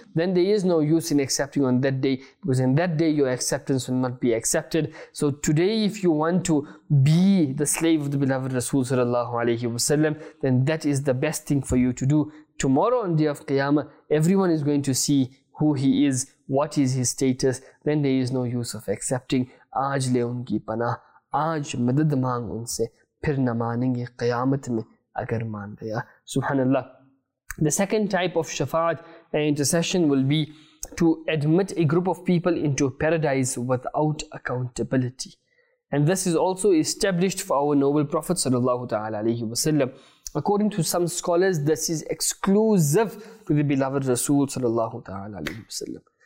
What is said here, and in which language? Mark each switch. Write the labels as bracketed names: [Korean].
[English] Then there is no use in accepting on that day, because in that day your acceptance will not be accepted. So today, if you want to be the slave of the beloved Rasul sallallahu alayhi wa sallam, then that is the best thing for you to do. Tomorrow on the day of Qiyamah, everyone is going to see who he is, what is his status. Then there is no use of accepting. [Urdu] آج لے ان کی پناہ, آج مدد مانگ ان سے, پھر نہ مانیں گے قیامت میں اگر مان گیا. سبحان اللہ. [English] The second type of shafa'at and intercession will be to admit a group of people into paradise without accountability. And this is also established for our noble Prophet sallallahu ta'ala alayhi wa sallam. According to some scholars, this is exclusive to the beloved Rasul sallallahu ta'ala alayhi wa sallam.